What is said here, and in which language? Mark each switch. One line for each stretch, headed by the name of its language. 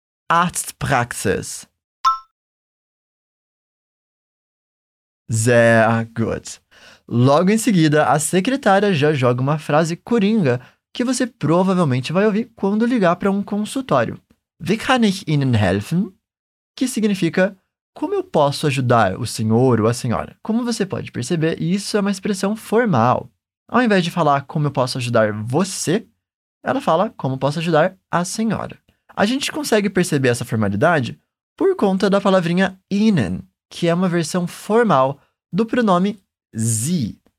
German: Arztpraxis. Sehr gut.
Portuguese: Logo em seguida, a secretária já joga uma frase coringa que você provavelmente vai ouvir quando ligar para um consultório.
German: Wie kann ich Ihnen helfen?
Portuguese: Que significa, como eu posso ajudar o senhor ou a senhora? Como você pode perceber, isso é uma expressão formal. Ao invés de falar como eu posso ajudar você, ela fala como posso ajudar a senhora. A gente consegue perceber essa formalidade por conta da palavrinha Ihnen, que é uma versão formal do pronome Sie,